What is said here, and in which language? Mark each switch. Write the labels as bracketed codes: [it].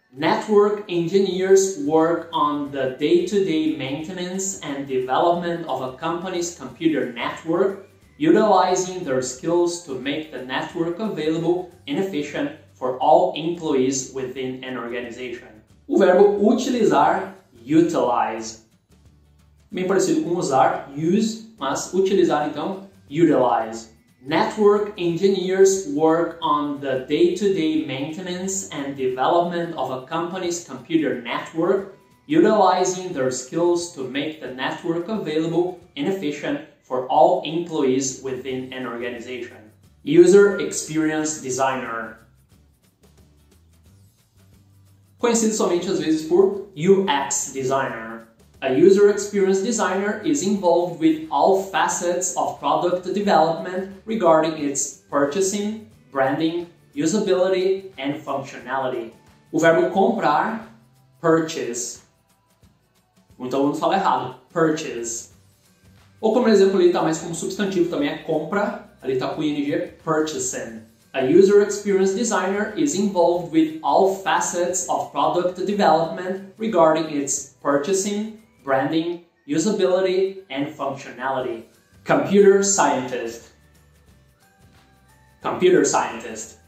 [en] Network engineers work on the day-to-day maintenance and development of a company's computer network, utilizing their skills to make the network available and efficient for all employees within an organization. [pt] O verbo utilizar, utilize. Bem parecido com usar, use, mas utilizar então, utilize. [en] Network engineers work on the day-to-day maintenance and development of a company's computer network, utilizing their skills to make the network available and efficient for all employees within an organization. User experience designer. [pt] Conhecido somente às vezes por UX designer. [en] A user experience designer is involved with all facets of product development regarding its purchasing, branding, usability, and functionality. [pt] O verbo comprar, purchase. Muito aluno fala errado, purchase. Ou como exemplo ali está mais como substantivo também é compra, ali está com ing, purchasing. [en] A user experience designer is involved with all facets of product development regarding its purchasing, branding, usability, and functionality. Computer scientist. Computer scientist.